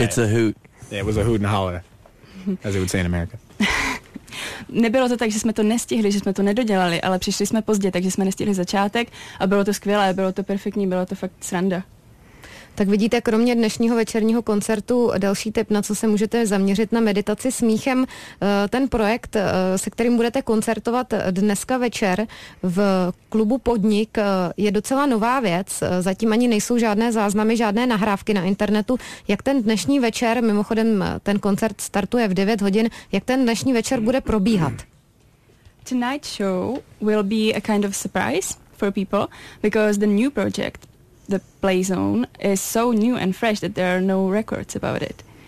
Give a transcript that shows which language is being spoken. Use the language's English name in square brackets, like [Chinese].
[English] it. It's a hoot. Yeah, it was a hoot and holler, as it would say in America. [Czech] Nebylo to tak, že jsme to nestihli, že jsme to nedodělali, ale přišli jsme pozdě, takže jsme nestihli začátek a bylo to skvělé, bylo to perfektní, bylo to fakt sranda. Tak vidíte, kromě dnešního večerního koncertu další tip, na co se můžete zaměřit, na meditaci smíchem. Ten projekt, se kterým budete koncertovat dneska večer v klubu Podnik, je docela nová věc. Zatím ani nejsou žádné záznamy, žádné nahrávky na internetu. Jak ten dnešní večer, mimochodem ten koncert startuje v 9 hodin, jak ten dnešní večer bude probíhat? [English] Tonight's show will be a kind of surprise for people, because the new project, The Play Zone, is so new and fresh that there are no records about it.